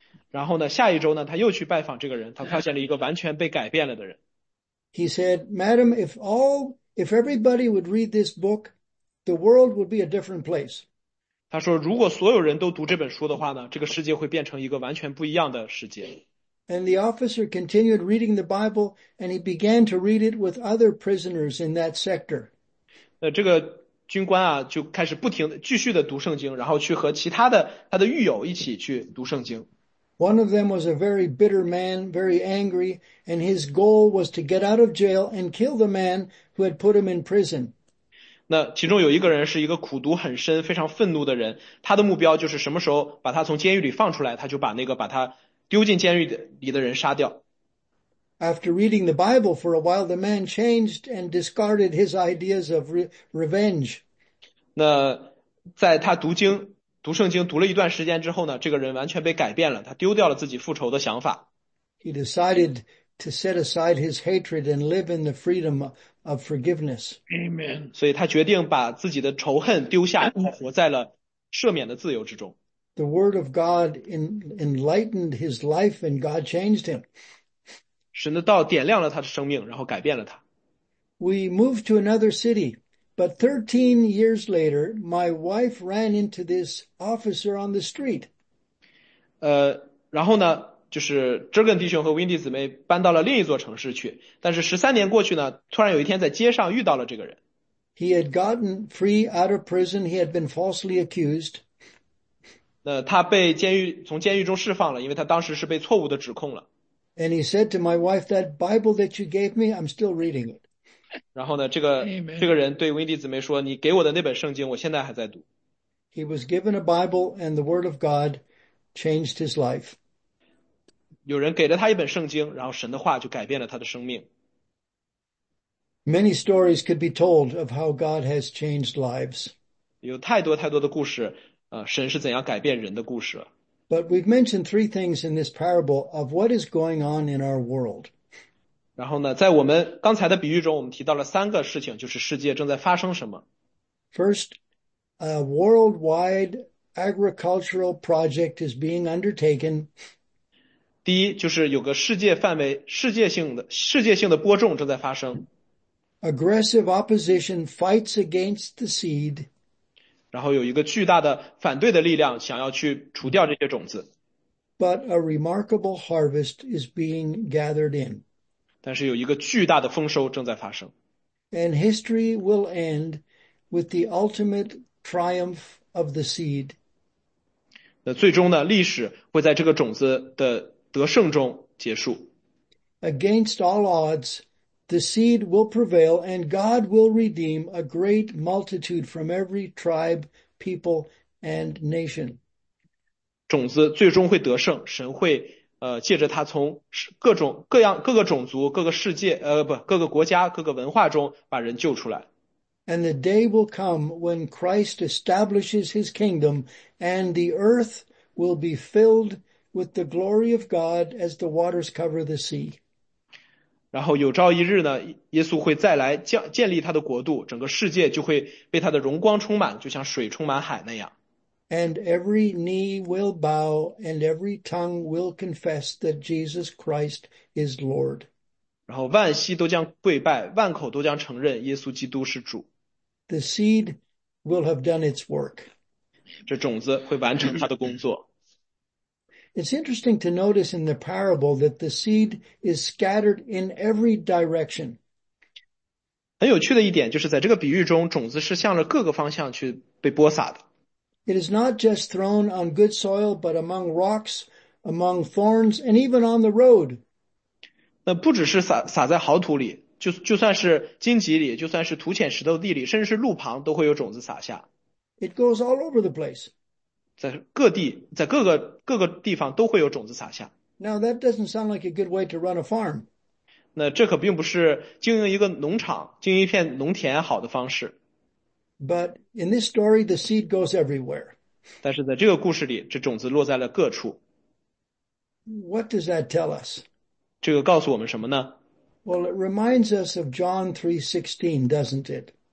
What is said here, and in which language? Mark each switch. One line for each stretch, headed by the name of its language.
Chinese: 然后呢，下一周呢，他又去拜访这个人，他发现了一个完全被改变了的人。
English: He said, Madam, if everybody would read this book, the world would be a different place.
Chinese: 他说，如果所有人都读这本书的话呢，这个世界会变成一个完全不一样的世界。
English: And the officer continued reading the Bible, and he began to read it with other prisoners in that sector.
Chinese: 这个军官啊，就开始不停的继续的读圣经，然后去和其他的他的狱友一起去读圣经。
English: One of them was a very bitter man, very angry, and his goal was to get out of jail and kill the man who had put him in prison.
Chinese: 那其中有一个人是一个苦读很深、非常愤怒的人，他的目标就是什么时候把他从监狱里放出来，他就把那个把他丢进监狱里的人杀掉。
English: After reading the Bible for a while, the man changed and discarded his ideas of revenge.
Chinese: 那在他读经读圣经读了一段时间之后呢，这个人完全被改变了，他丢掉了自己复仇的想法。
English: He decided to set aside his hatred and live in the freedom of forgiveness. Amen.
Chinese: 所以他决定把自己的仇恨丢下，活在了赦免的自由之中。
English: The word of God enlightened his life and God changed him.
Chinese: 神的道点亮了他的生命，然后改变了他。
English: We moved to another city. But 13 years later, my wife ran into this officer on the street.
Chinese: 然后呢，就是 Jurgen 弟兄和 Wendy 姊妹搬到了另一座城市去。但是13年过去呢，突然有一天在街上遇到了这个人。
English: He had gotten free out of prison. He had been falsely accused.
Chinese: 他被监狱中释放了，因为他当时是被错误的指控了。
English: And he said to my wife, that Bible that you gave me, I'm still reading it.
Chinese: 然后呢，这个人对 Wendy 姊妹说，你给我的那本圣经我现在还在读。
English: He was given a Bible and the word of God changed his life.
Chinese: 有人给了他一本圣经，然后神的话就改变了他的生命。
English: Many stories could be told of how God has changed lives.
Chinese: 有太多太多的故事，神是怎样改变人的故事。
English: But we've mentioned three things in this parable of what is going on in our world.
Chinese: 然后呢，在我们刚才的比喻中，我们提到了三个事情，就是世界正在发生什么。
English: First, a worldwide agricultural project is being undertaken.
Chinese: 第一，就是有个世界性的播种正在发生。
English: Aggressive opposition fights against the seed.
Chinese: 然后有一个巨大的反对的力量想要去除掉这些种子。
English: But a remarkable harvest is being gathered in.
Chinese: 但是有一个巨大的丰收正在发生。
English: And history will end with the ultimate triumph of the seed.
Chinese: 那最终呢，历史会在这个种子的得胜中结束。
English: Against all odds, the seed will prevail and God will redeem a great multitude from every tribe, people, and nation.
Chinese: 种子最终会得胜，神会借着他从各种各样各个种族各个世界不各个国家各个文化中把人救出来。
English: And the day will come when Christ establishes his kingdom and the earth will be filled with the glory of God as the waters cover the sea.
Chinese: 然后有朝一日呢，耶稣会再来建立他的国度，整个世界就会被他的荣光充满，就像水充满海那样。
English: And every knee will bow and every tongue will confess that Jesus Christ is Lord.
Chinese: 然后万膝都将跪拜，万口都将承认耶稣基督是主。
English: The seed will have done its work.
Chinese: 这种子会完成它的工作。
English: It's interesting to notice in the parable that the seed is scattered in every direction.
Chinese: 很有趣的一点就是在这个比喻中，种子是向着各个方向去被播撒的。
English: It is not just thrown on good soil, but among rocks, among thorns, and even on the road.
Chinese: 那不只是撒在好土里，就算是荆棘里，就算是土浅石头地里，甚至是路旁，都会有种子撒下。
English: It goes all over the place.
Chinese: 在各地，在各个地方都会有种子撒下。
English: Now that doesn't sound like a good way to run a farm.
Chinese: 那这可并不是经营一个农场，经营一片农田好的方式。
English: But in this story, the seed goes everywhere.
Chinese: 但是在这个故事里，这种子落在了各处。
English: What does that tell us?
Chinese: 这个告诉我们什么呢？
English: Well, it reminds us of John 3:16, doesn't it?